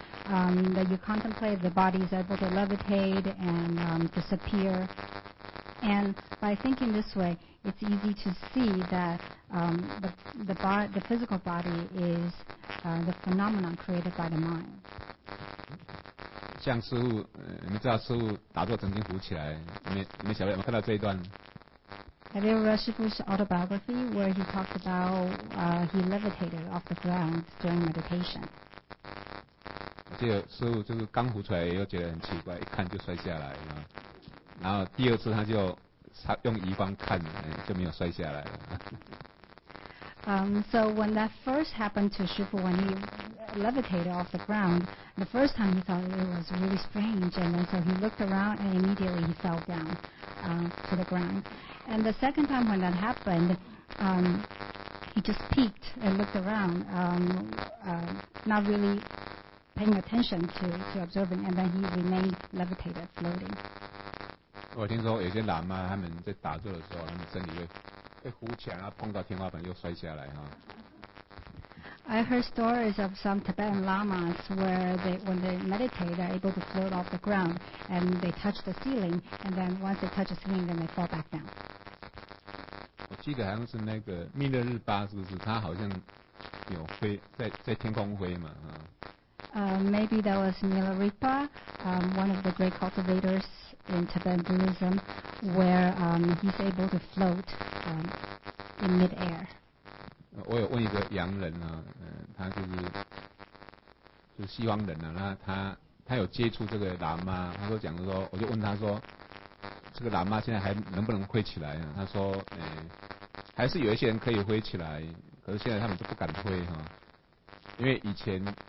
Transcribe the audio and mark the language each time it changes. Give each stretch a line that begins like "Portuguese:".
English: That you contemplate the body is able to levitate and disappear. And by thinking this way, it's easy to see that the physical body is the phenomenon created by the mind.
Chinese: 像师父，你们知道师父打坐曾经浮起来，你们小朋友有没有看到这一段？
English: Have you read 师父 's autobiography where he talked about he levitated off the ground during meditation?
Chinese: 我记得师父就是刚浮出来，又觉得很奇怪，一看就摔下来了。然后第二次他用移方看，就没有摔下来了。
English: So when that first happened to 师父 when he levitated off the ground, the first time he thought it was really strange, and then so he looked around and immediately he fell down to the ground. And the second time when that happened, he just peeked and looked around, not really paying attention to observing, and then he remained levitated, floating.
Chinese: 我听说有些喇嘛他们在打坐的时候，他们身体会浮起来，然后碰到天花板又摔下来哈。
English: I heard stories of some Tibetan lamas where when they meditate, they're able to float off the ground and they touch the ceiling, and then once they touch the ceiling, then they fall back down.
Chinese: 我记得好像是那个密勒日巴，是不是？他好像有飞在天空飞嘛，哈。
English: Maybe that was Milarepa, one of the great cultivators in Tibetan Buddhism, where he's able to float in mid-air.
Chinese: 我有问一个洋人啊，他就是西方人啊，他有接触这个喇嘛，他说讲的说，我就问他说，这个喇嘛现在还能不能飞起来啊？他说，还是有一些人可以飞起来，可是现在他们都不敢飞哈、啊，因为以前。